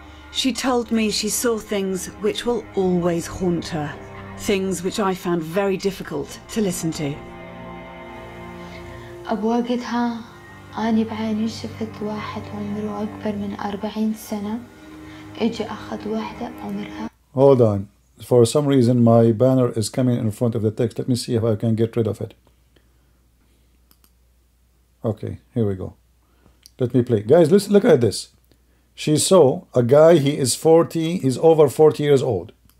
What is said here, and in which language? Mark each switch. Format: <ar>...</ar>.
<en>She told me she saw things which will always haunt her. Things which I found very difficult to listen to.</en> <ar>أبوقتها أنا بعيني شفت واحد عمره أكبر من 40 سنة إجي أخذ واحدة عمرها.</ar> <en>Hold on. For some reason my banner is coming in front of the text. Let me see if I can get rid of it. Okay, here we go. Let me play. Guys, listen, look at this. She saw a guy, he is 40, he's over 40 years old.</en>